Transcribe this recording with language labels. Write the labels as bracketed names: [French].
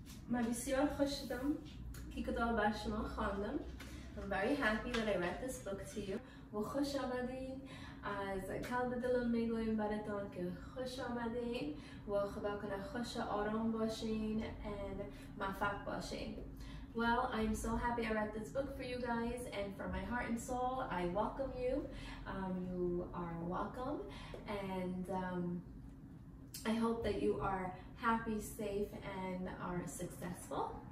[Persian] من بسیار خوش شدم که کتاب بر شما خواندم. [English] I'm very happy that I read this book to you. [Persian] و خوش آمدین. از قلب دلم میگویم براتون که خوش آمدین و خدا کنه خوش آرام باشین and موفق باشین. [English] Well, I'm so happy I read this book for you guys, and from my heart and soul, I welcome you. You are welcome, and I hope that you are happy, safe, and are successful.